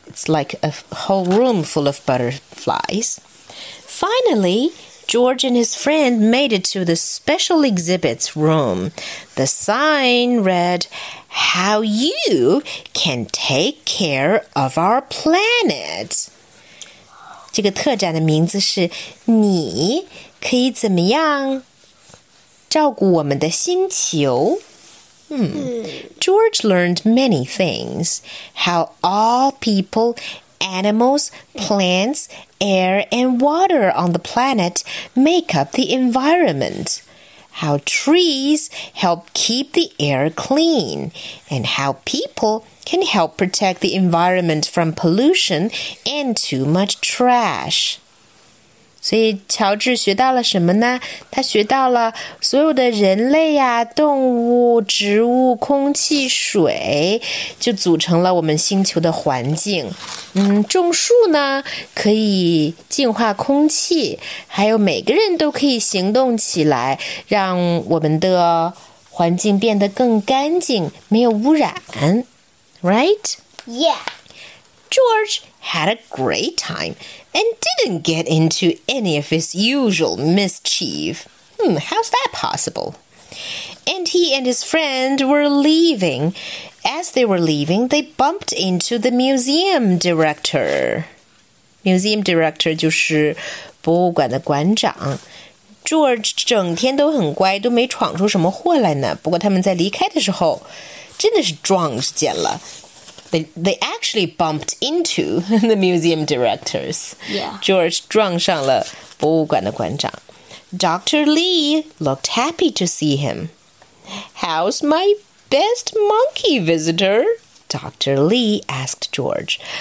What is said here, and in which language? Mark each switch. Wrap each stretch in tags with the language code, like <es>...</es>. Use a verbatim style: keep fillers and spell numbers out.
<en>It's like a whole room full of butterflies. Finally, George and his friend made it to the special exhibits room. The sign read, How you can take care of our planet.</en> <zh>这个特展的名字是你可以怎么样照顾我们的星球。</zh> <en>嗯， George learned many things. How all people... Animals, plants, air, and water on the planet make up the environment. How trees help keep the air clean, and how people can help protect the environment from pollution and too much trash.</en> <zh>所以乔治学到了什么呢？他学到了所有的人类啊、动物、植物、空气、水，就组成了我们星球的环境。嗯，种树呢可以净化空气，还有每个人都可以行动起来，让我们的环境变得更干净，没有污染。</zh> <en>Right? Yeah. George had a great time and didn't get into any of his usual mischief. Hmm, how's that possible? And he and his friend were leaving. As they were leaving, they bumped into the museum director. Museum director</en> <zh>就是博物馆的馆长。 George 整天都很乖，都没闯出什么祸来呢。不过他们在离开的时候，真的是撞见了。</zh> <en>They, they actually bumped into the museum directors. Yeah.</en> <zh>George 撞上了博物馆的馆长。</zh> <en>Doctor Lee looked happy to see him. How's my best monkey visitor? Doctor Lee asked George.</en>